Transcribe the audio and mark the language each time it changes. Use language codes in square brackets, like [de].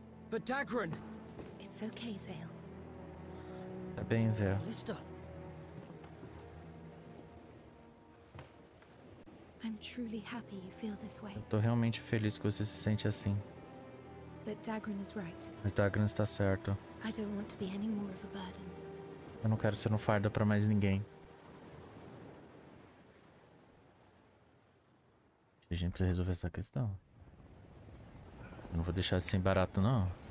[pt] Mas Dagrin... [en] It's okay, Zale. [pt] Tá bem, Zé. [en] I'm truly happy you feel this way. [pt] Eu tô realmente feliz que você se sente assim. [en] But Dagrin is right. [pt] Mas Dagrin está certo. [en] I don't want to be any more of a burden. [pt] Eu não quero ser um fardo para mais ninguém. A gente precisa resolver essa questão. Eu não vou deixar assim barato, não.